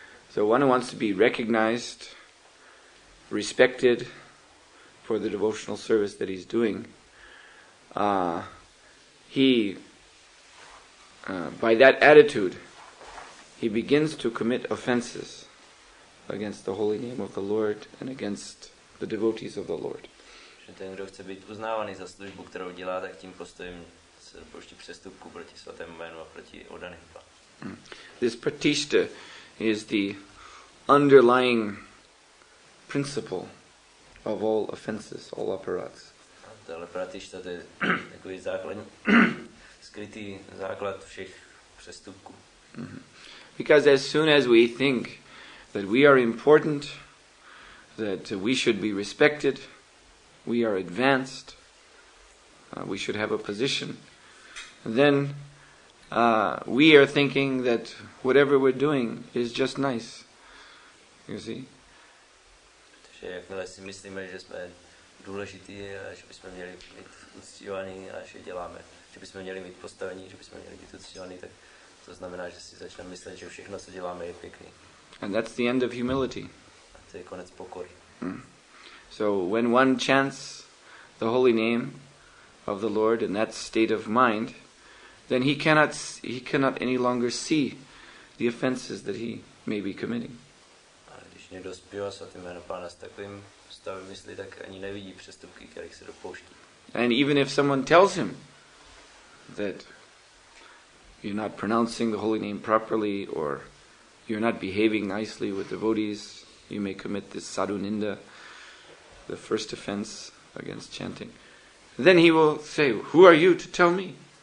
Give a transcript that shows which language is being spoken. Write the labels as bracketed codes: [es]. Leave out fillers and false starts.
[en] So one wants to be recognized, respected for the devotional service that he's doing. By that attitude, he begins to commit offenses against the holy name of the Lord and against the devotees of the Lord. [cs] Že ten, kdo chce být uznávaný za službu, kterou dělá, tak tím postojem se dopouští přestupku proti svatému jménu a proti odaným. [en] This pratishta is the underlying principle of all offenses, all aparats. [cs] Tohle pratishta, to je takový základ, skrytý základ všech přestupků. Mm-hmm. [en] Because as soon as we think that we are important, that we should be respected, we are advanced, we should have a position, then we are thinking that whatever we're doing is just nice. You see? [cs] Protože jakmile si myslíme, že jsme důležití a že bychom měli být uctívaní a že děláme, že bychom měli mít postavení, že bychom měli být uctívaní, tak to znamená, že si začneme myslet, že všechno, co děláme, je pěkný. [en] And that's the end of humility. [cs] A to je konec pokory. Mm. [en] So when one chants the holy name of the Lord in that state of mind, then he cannot any longer see the offenses that he may be committing. [cs] A když někdo zpívá svatý jméno Pána s takovým stavem mysli, tak ani nevidí přestupky, které se dopouští. [en] And even if someone tells him that you're not pronouncing the holy name properly or you're not behaving nicely with devotees, you may commit this sadhu ninda, the first offense against chanting, then he will say, who are you to tell me?